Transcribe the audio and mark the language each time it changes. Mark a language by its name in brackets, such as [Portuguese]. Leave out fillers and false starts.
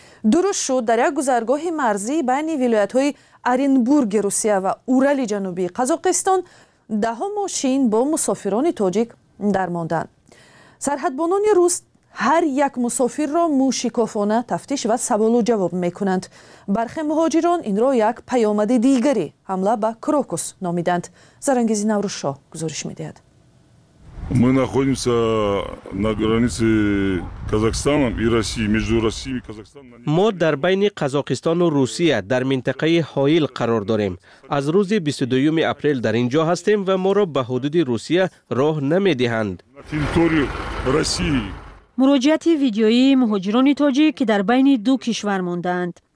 [Persian] درست شد در یک گذرگاه مرزی بین ولایت های آرنبورگ روسیه و اورال جنوبی قزاقستان ده ها ماشین با مسافران تاجیک درماندن. سرحدبانان روس هر یک مسافر را موشکافانه تفتیش و سوال و جواب میکنند. برخی مهاجران این را یک پیامد دیگری حمله به کروکوس نامیدند. زرنگیزی نوروشا گزارش میدهد. [Russian] Мы находимся на границе Казахстана и России, между Россией и Казахстаном. Мы [Persian] در بین قزاقستان و روسیه در منطقه حائل قرار داریم. از روز 22 اپریل در اینجا هستیم و ما را به حدود روسیه راه نمیدهند. [Russian] На территорию России. [Persian] مراجعت ویدیویی مهاجران تاجیک که در بین دو کشور ماندند.